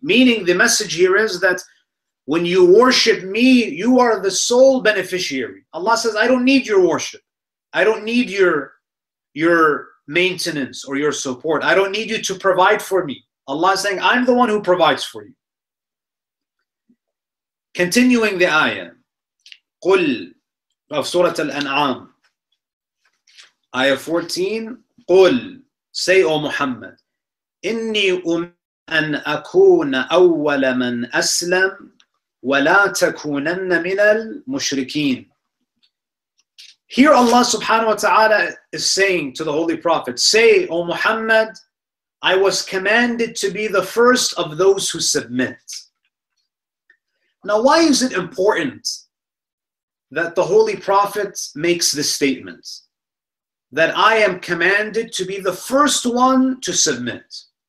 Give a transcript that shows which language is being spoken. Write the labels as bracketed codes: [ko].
[en] Meaning the message here is that when you worship me, you are the sole beneficiary. Allah says, I don't need your worship. I don't need your maintenance or your support. I don't need you to provide for me. Allah is saying, I'm the one who provides for you. Continuing the ayah, [ar] قُلْ [en] of Surah Al-An'am, ayah 14, [ar] قُلْ, [en] say, O Muhammad, [ar] إِنِّي أَنْ أَكُونَ أَوَّلَ مَنْ أَسْلَمْ وَلَا تَكُونَنَّ مِنَ الْمُشْرِكِينَ. [en] Here Allah subhanahu wa ta'ala is saying to the Holy Prophet, say, O Muhammad, I was commanded to be the first of those who submit. Now, why is it important that the Holy Prophet makes this statement, that I am commanded to be the first one to submit?